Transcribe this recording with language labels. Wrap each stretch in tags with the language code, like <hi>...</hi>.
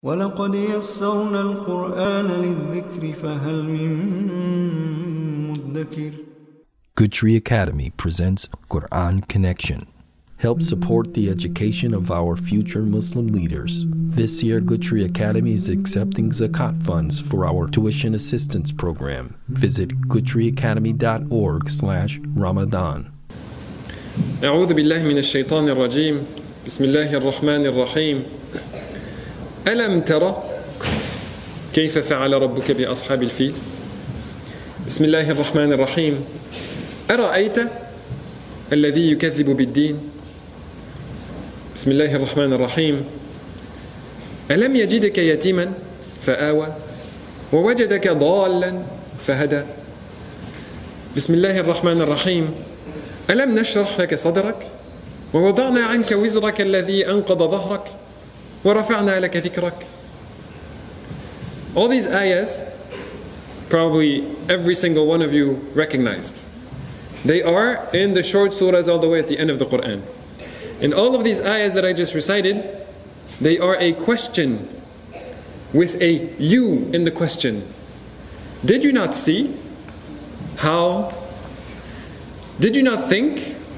<ar>ولقد يسرنا القرآن للذكر فهل من مدكر.</ar> <en>Good Tree Academy presents Quran Connection. Help support the education of our future Muslim leaders. This year, Good Tree Academy is accepting Zakat funds for our tuition assistance program. Visit goodtreeacademy.org/Ramadan.</en> <ar>أعوذ بالله من الشيطان الرجيم. بسم الله الرحمن الرحيم. ألم ترى كيف فعل ربك بأصحاب الفيل؟ بسم الله الرحمن الرحيم. أرأيت الذي يكذب بالدين؟ بسم الله الرحمن الرحيم. ألم يجدك يتيما فآوى ووجدك ضالا فهدى؟ بسم الله الرحمن الرحيم. ألم نشرح لك صدرك ووضعنا عنك وزرك الذي أنقض ظهرك ورفعنا لك ذكرك؟</ar> <en>All these ayahs, probably every single one of you recognized. They are in the short surahs all the way at the end of the Quran. In all of these ayahs that I just recited, they are a question with a you in the question. Did you not see? How? Did you not think?</en>